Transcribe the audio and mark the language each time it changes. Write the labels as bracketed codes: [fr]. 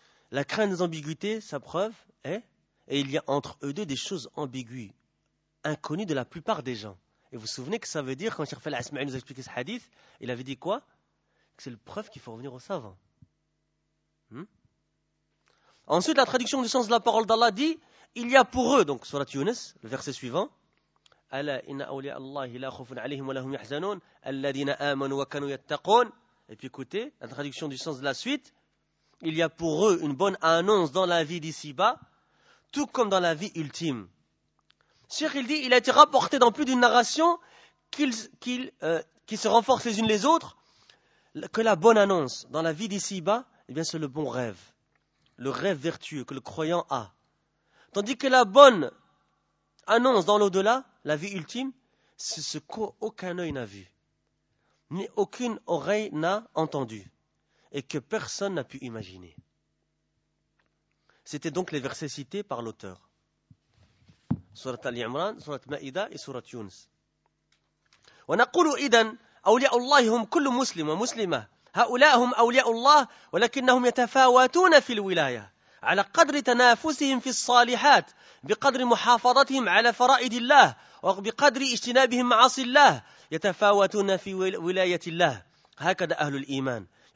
[fr] La crainte des ambiguïtés, sa preuve, est et il y a entre eux deux des choses ambiguës, inconnues de la plupart des gens. Et vous vous souvenez que ça veut dire, quand Cheikh Fala Asma'i nous a expliqué ce hadith, il avait dit quoi? Que c'est le preuve qu'il faut revenir aux savants. Ensuite, la traduction du sens de la parole d'Allah dit, il y a pour eux, donc surat Younes, le verset suivant, [ar] ألا إن أولياء الله لا خوف عليهم ولا هم يحزنون الذين آمنوا وكانوا يتقون. [fr] Et puis écoutez, la traduction du sens de la suite, il y a pour eux une bonne annonce dans la vie d'ici-bas, tout comme dans la vie ultime. Cheikh, il dit, il a été rapporté dans plus d'une narration qui se renforcent les unes les autres, que la bonne annonce dans la vie d'ici-bas, eh bien, c'est le bon rêve, le rêve vertueux que le croyant a. Tandis que la bonne annonce dans l'au-delà, la vie ultime, c'est ce qu'aucun œil n'a vu, ni aucune oreille n'a entendu, et que personne n'a pu imaginer. C'était donc les versets cités par l'auteur. Sourate Al-Imran, Sourate Ma'ida et Sourate Younes. [ar] ونقول إذن أولياء الله هم كل مسلم ومسلمة هؤلاء هم أولياء الله ولكنهم يتفاوتون في الولاية على قدر تنافسهم في الصالحات بقدر محافظتهم على فرائض الله وبقدر اجتنابهم معاصي الله يتفاوتون في ولاية الله هكذا أهل الإيمان